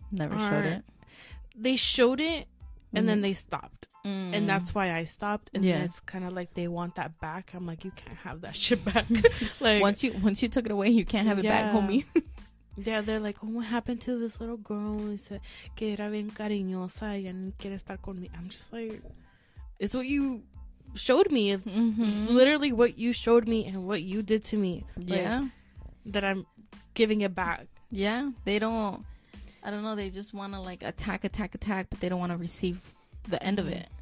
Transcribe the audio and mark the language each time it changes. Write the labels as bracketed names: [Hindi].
[English] never showed it. They showed it, and then they stopped. And that's why I stopped. And then it's kind of like they want that back. I'm like, you can't have that shit back. Like, once you took it away, you can't have it back, homie. Yeah, they're like, oh, what happened to this little girl? He said, [Spanish] que era bien cariñosa y no quiere estar conmigo. [English] I'm just like, it's what you showed me. It's literally what you showed me and what you did to me. Like, yeah. That I'm giving it back. Yeah. I don't know. They just want to like attack, but they don't want to receive the end of it.